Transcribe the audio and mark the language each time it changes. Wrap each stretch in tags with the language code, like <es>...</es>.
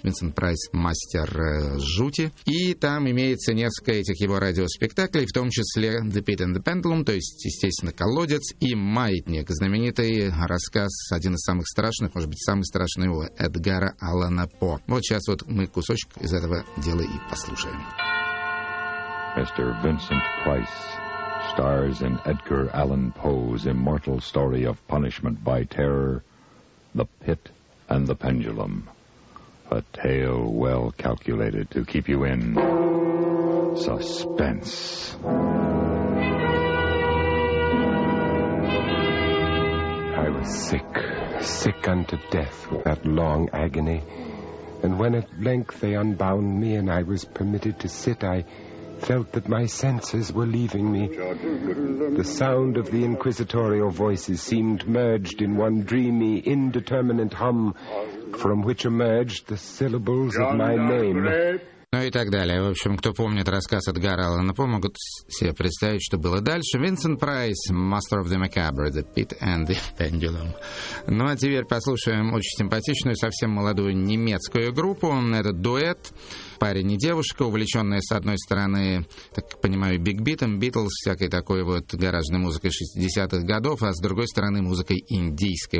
<ru>«Винсент Прайс, мастер жути». И там имеется несколько этих его радиоспектаклей, в том числе «The Pit and the Pendulum», то есть, естественно, «Колодец» и «Маятник». Знаменитый рассказ, один из самых страшных, может быть, самый страшный у Эдгара Аллана По. Вот сейчас вот мы кусочек из этого дела и послушаем. Мистер</ru> <en>Винсент Прайс stars in Edgar Allan Poe's immortal story of punishment by terror, «The Pit and the Pendulum». A tale well calculated to keep you in suspense. I was sick, sick unto death with that long agony. And when at length they unbound me and I was permitted to sit, I felt that my senses were leaving me. The sound of the inquisitorial voices seemed merged in one dreamy, indeterminate hum, from which emerged the syllables of my name.</en> <ru>Ну и так далее. В общем, кто помнит рассказ Эдгара Аллана По, могут себе представить, что было дальше.</ru> <en>Винсент Прайс, Master of the Macabre, The Pit and the Pendulum.</en> <ru>Ну а теперь послушаем очень симпатичную, совсем молодую немецкую группу. Это дуэт. Парень и девушка, увлеченная с одной стороны, так понимаю, биг-битом, Битлз, всякой такой вот гаражной музыкой 60-х годов, а с другой стороны музыкой индийской.</ru>